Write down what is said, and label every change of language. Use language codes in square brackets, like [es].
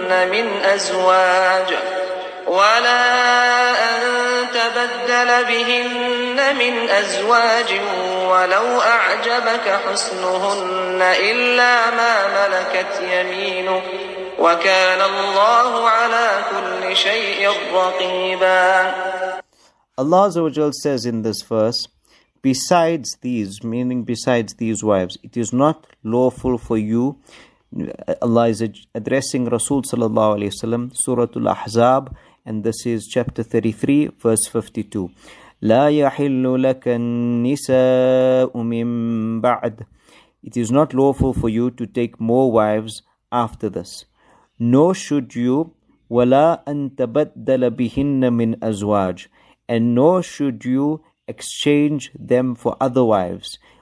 [ar] من أزواج ولا أن تبدل بهن من أزواج ولو أعجبك حسنهن إلا ما ملكت يمينك وكان الله على كل شيء رقيبا. [en] Allah Azza wa Jal says in this verse, besides these, meaning besides these wives, it is not lawful for you. Allah is addressing Rasul sallallahu alayhi wa sallam, Suratul Ahzab, and this is chapter 33, verse 52. [ar] لا يحل لك النساء من بعد. [en] It is not lawful for you to take more wives after this. Nor should you, [ar] ولا أن تبدل بهن من أزواج. [en] And nor should you exchange them for other wives.